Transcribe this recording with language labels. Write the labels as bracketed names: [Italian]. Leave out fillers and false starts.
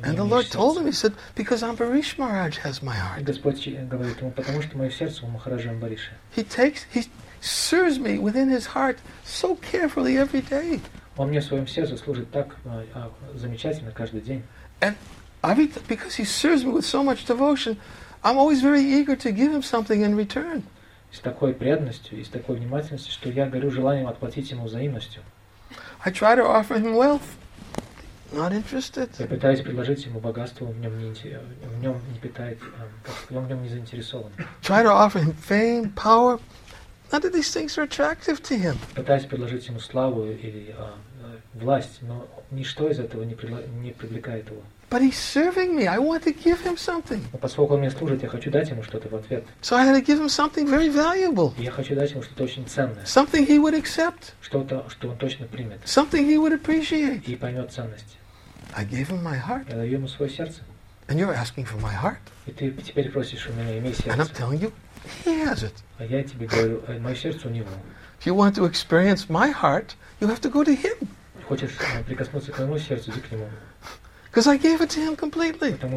[English] And the Lord told him, he said, because Ambarish Maharaj has my heart. [Russian] Господь говорит ему, потому что мое сердце у Махараджа Амбариша. [English] He serves me within his heart so carefully every day. [Russian] Он мне в своем сердце служит так замечательно каждый день. [English] And because he serves me with so much devotion, I'm always very eager to give him something in return. [Russian] С такой преданностью и с такой внимательностью, что я горю желанием отплатить ему взаимностью. [English] I try to offer him wealth. Not interested. [Russian] Я пытаюсь предложить ему богатство, он в нем не заинтересован. [English] Try to offer him fame, power. None of these things are attractive to him. [Russian] Пытаюсь предложить ему славу или власть, но ничто из этого не привлекает его. [English] But he's serving me. I want to give him something. [Russian] Но поскольку он мне служит, я хочу дать ему что-то в ответ. [English] So I had to give him something very valuable. [Russian] Я хочу дать ему что-то очень ценное. [English] Something he would accept. [Russian] Что-то, что он точно примет. [English] Something he would appreciate. [Russian] И поймет ценность. [English] I gave him my heart. [Russian] Я даю ему свое сердце. [English] And you're asking for my heart. [Russian] И ты теперь просишь у меня, имей сердце. [English] And I'm telling you, he has it. [Russian] А я тебе говорю, мое сердце у него. [English] If you want to experience my heart, you have to go to him. Because I gave it to him completely.